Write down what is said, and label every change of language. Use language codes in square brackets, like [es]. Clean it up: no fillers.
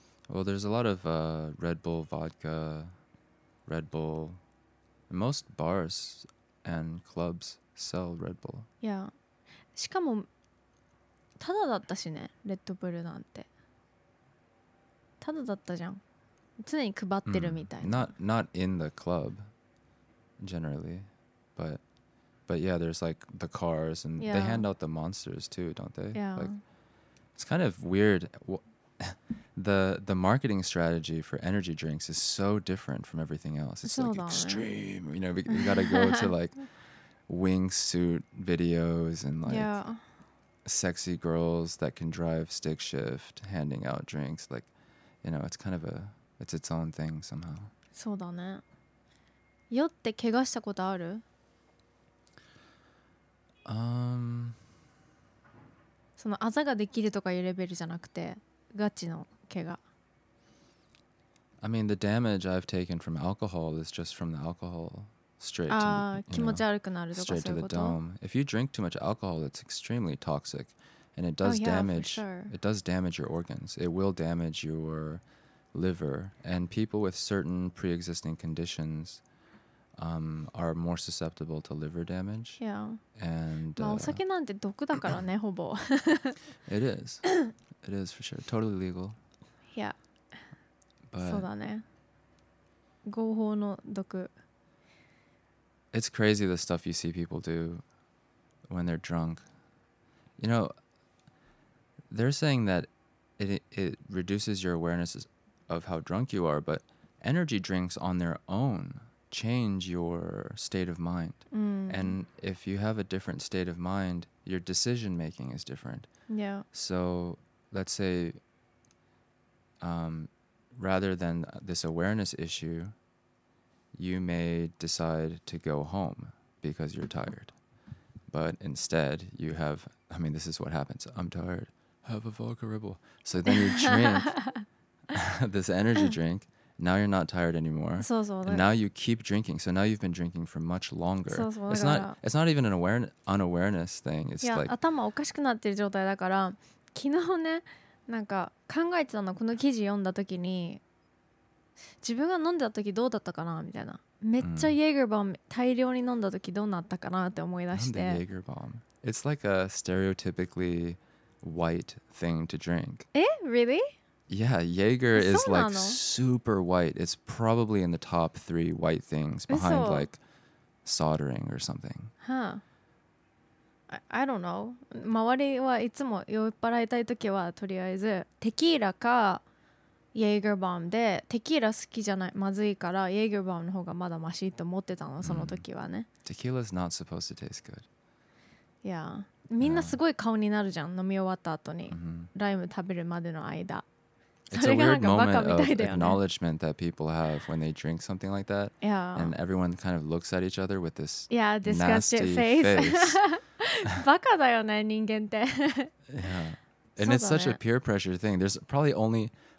[en] Well, there's a lot of Red Bull vodka, Red Bull. Most bars and clubs. Sell Red Bull. Yeah. [ja] しかもタダだったしね、レッドブルなんて。タダだったじゃん。常に配ってるみたいな。 [en] Not in the club, generally, but yeah, there's like the cars and they hand out the monsters too, don't they? Yeah. Like, it's kind of weird. The marketing strategy for energy drinks is so different from everything else. It's like extreme. You know, we gotta go to like. Wingsuit videos and like、 yeah. sexy girls that can drive stick shift handing out drinks, like, you know, it's kind of it's its own thing somehow. [ja] そうだね。酔って怪我したことある？そのあざができるとかいうレベルじゃなくてガチの怪我。 [en] I mean, the damage I've taken from alcohol is just from the alcohol. Straight to, the, you know, straight [ja] そういうこと? [en] to the dome. If you drink too much alcohol, it's extremely toxic, and it does damage. For sure. It does damage your organs. It will damage your liver. And people with certain pre-existing conditions, are more susceptible to liver damage. Yeah. And. [ja] まあ、お酒なんて毒だからね、ほぼ。 [en] It is. It is for sure. Totally legal. Yeah. But. [ja] そうだね。合法の毒。 [en] It's crazy the stuff you see people do when they're drunk. You know, they're saying that it reduces your awareness of how drunk you are, but energy drinks on their own change your state of mind. Mm. And if you have a different state of mind, your decision making is different. Yeah. So let's say, rather than this awareness issue,you may decide to go home because you're tired. But instead, you have, I mean, this is what happens. I'm tired. Have a vodka ripple. So then you drink this energy drink. Now you're not tired anymore. [ja] そうそう。 [en] And now you keep drinking. So now you've been drinking for much longer. [ja] そうそう。 [en] It's not even an unawareness thing. It's like, [ja] 頭おかしくなってる状態だから、昨日ね、なんか考えてたの、この記事読んだ時に、自分が飲んでた時どうだったかなみたいな。めっちゃイエーガーバーム大量に飲んだ時どうなったかなって思い出して。なんでイエーガーバーム? [en] It's like a stereotypically white thing to drink. Eh? Really? Yeah, Jaeger is like super white. It's probably in the top three white things behind like soldering or something. Huh. I don't know. [ja] 周りはいつも酔っ払いたいときはとりあえずテキーラかジェイガーバームで、テキーラ好きじゃない、まずいからジェイガーバームの方がまだマシと思ってたの、その時はね。 [en] テキーラ is not supposed to taste good. Yeah. [ja] みんなすごい顔になるじゃん、飲み終わった後に。ライム食べるまでの間。 [en] It's a weird moment of acknowledgement that people have when they drink something like that. Yeah. And everyone kind of looks at each other with this yeah, disgusted face. [ja] バカだよね、人間って。 [en] Yeah. And it's such a peer pressure thing. There's probably only...